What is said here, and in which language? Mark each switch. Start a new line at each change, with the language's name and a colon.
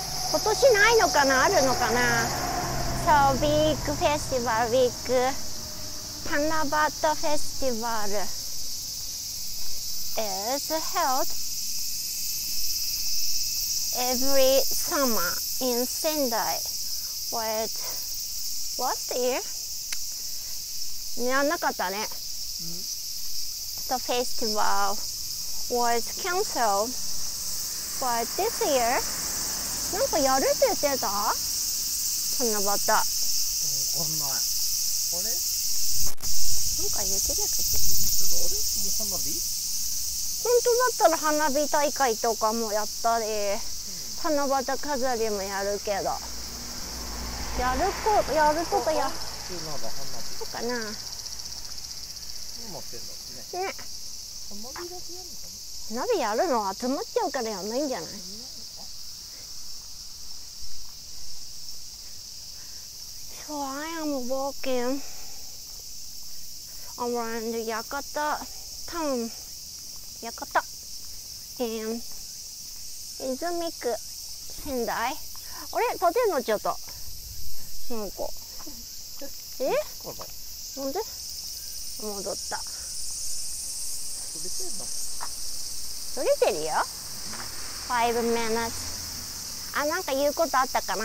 Japanese: 今年ないのかな、あるのかな。そう、ビッグフェスティバル、ビッグタナバタフェスティバル
English: is held every summer in Sendai. But last year
Japanese: やんなかったね。
English: The festival was cancelled, but this year,
Japanese: なんかやるって言ってた？そんなバタ。わかんない。あれ？なんか言ってなかった。 あれ？もう花火？本当だったら花火大会とかもやったり、七夕飾りもやるけど、やるこやるとかや。今だ花火。そうかな。持ってんだね。ね。花火やるの？花火やるの集まっちゃうからやんないんじゃない？
English: そう、I am walking around Yakata town, Yakata in Izumiku, Sendai.
Japanese: あれ、立てんのちょっと。なんか。え？なんで？戻った。撮れてるよ。5 minutes。あ、なんか言うことあったかな。